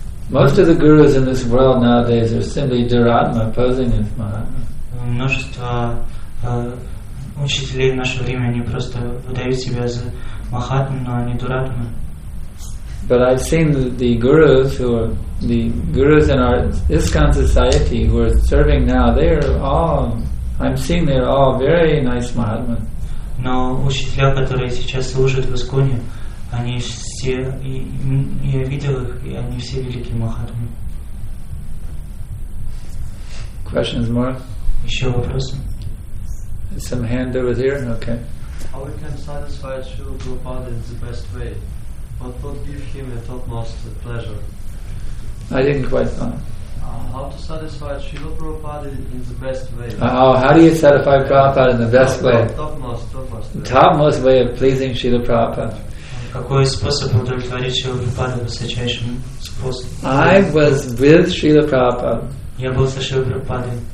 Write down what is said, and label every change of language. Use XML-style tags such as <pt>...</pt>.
<en>Most of the gurus in this world nowadays are simply Dharatma posing as Mahatma.</en> <ru>Множество учителей в наше время они просто выдают себя за Махатму, но они Дуратма.</ru> <en>But I've seen the gurus who are the gurus in our ISKCON society who are serving now, they are all, I'm seeing they're all very nice Mahatmas.</en> <ru>Но учителя, которые сейчас служат в ИСККОНе, они все, я видел их, и они все великие Махатмы.</ru> <en>Questions more?</en> <ru>Еще вопросы?</ru> <en>Some hand over here? Okay. How we can satisfy Srila Prabhupada in the best way? What will give him a topmost pleasure? I didn't quite know. How to satisfy Srila Prabhupada in the best way? How do you satisfy Prabhupada in the best way? Topmost. The topmost way of pleasing Srila Prabhupada.</en> <ru>Какой способ удовлетворить Шрилу Прабхупаду, высочайшим способом?</ru> <en>I was with Srila Prabhupada.</en> <ru>Я был со Шрилой Прабхупадой.</ru>